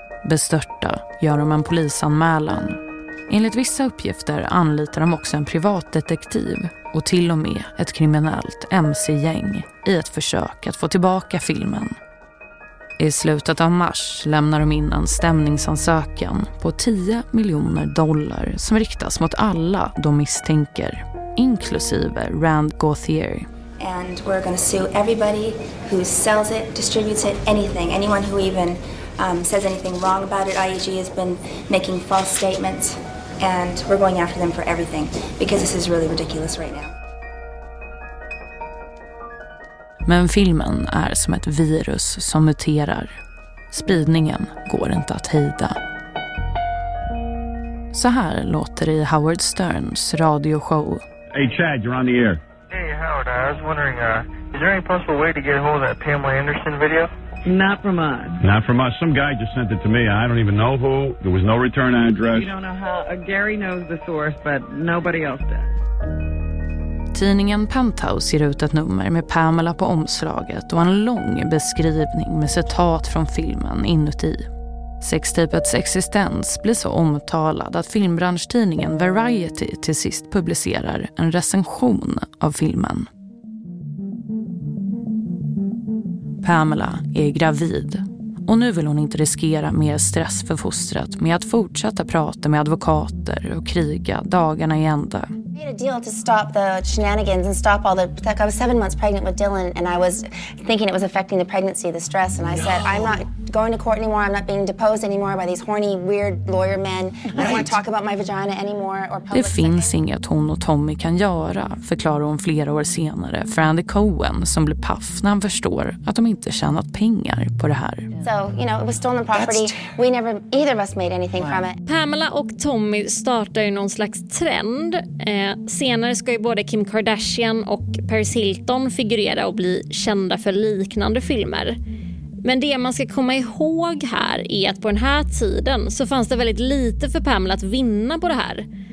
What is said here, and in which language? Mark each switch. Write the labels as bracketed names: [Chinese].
[Swedish] Bestörta gör de en polisanmälan. Enligt vissa uppgifter anlitar de också en privatdetektiv och till och med ett kriminellt MC-gäng i ett försök att få tillbaka filmen. I slutet av mars lämnar de in en stämningsansökan på 10 miljoner dollar som riktas mot alla de misstänker, inklusive Rand Gauthier. [English] And we're going to sue everybody who sells it, distributes it, anything, anyone who even says anything wrong about it. IEG has been making false statements and we're going after them for everything because this is really ridiculous right now. [Swedish] Men filmen är som ett virus som muterar. Spridningen går inte att hejda. Så här låter det i Howard Sterns radioshow. [English] Hey Chad, you're on the air. Hey Howard, I was wondering, is there any possible way to get a hold of that Pamela Anderson video? Not from us. Not from us. Some guy just sent it to me. I don't even know who. There was no return address. You don't know how. Gary knows the source, but nobody else does. [Swedish] Tidningen Penthouse ger ut ett nummer med Pamela på omslaget och en lång beskrivning med citat från filmen inuti. Sextapets existens blir så omtalad att filmbranschtidningen Variety till sist publicerar en recension av filmen. Pamela är gravid och nu vill hon inte riskera mer stress för fostret med att fortsätta prata med advokater och kriga dagarna i ända. [English] I made a deal to stop the shenanigans and stop all the... Like I was 7 months pregnant with Dylan and I was thinking it was affecting the pregnancy, the stress. And I said, I'm not going to court anymore. I'm not being deposed anymore by these horny, weird lawyer men. I don't want to talk about my vagina anymore. Or public [Swedish] det finns inget hon och Tommy kan göra, förklarar hon flera år senare för Andy Cohen som blir paff när han förstår att de inte tjänat pengar på det här. [English] So, you know, it was stolen property. We never, either of us made anything from it. [Swedish] Pamela och Tommy startar ju någon slags trend. Senare ska ju både Kim Kardashian och Paris Hilton figurera och bli kända för liknande filmer. Men det man ska komma ihåg här är att på den här tiden så fanns det väldigt lite för Pamela att vinna på det här.